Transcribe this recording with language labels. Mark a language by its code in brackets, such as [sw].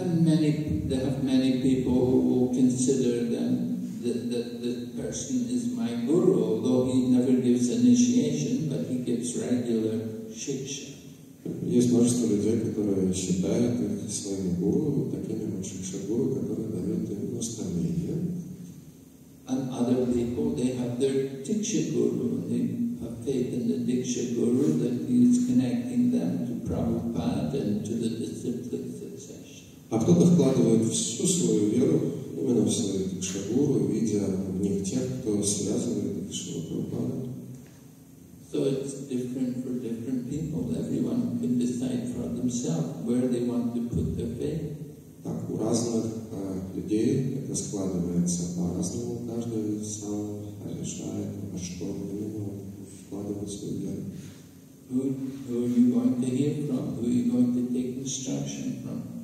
[en] And many, they have many people who will consider them, that the person is my guru, although he never gives initiation, but he gives regular Shiksha. [ru] Есть множество людей, которые считают их своими гуру, такими Шикша Гуру, которые дают им наставление. [en] And other people, they have their Diksha Guru, they have faith in the Diksha Guru that is connecting them to Prabhupada and to the disciplic succession. [ru] А кто-то вкладывает всю свою веру именно в свою Диксха Гуру, видя в них тех, кто связывает их с Прабхупадой. [en] So it's different for different people. Everyone can decide for themselves where they want to put their faith. [ru] Так у разных людей это складывается по-разному. Каждый сам решает, во что ему вкладывать свою веру. [en] Who are you going to hear from? Who are you going to take instruction from?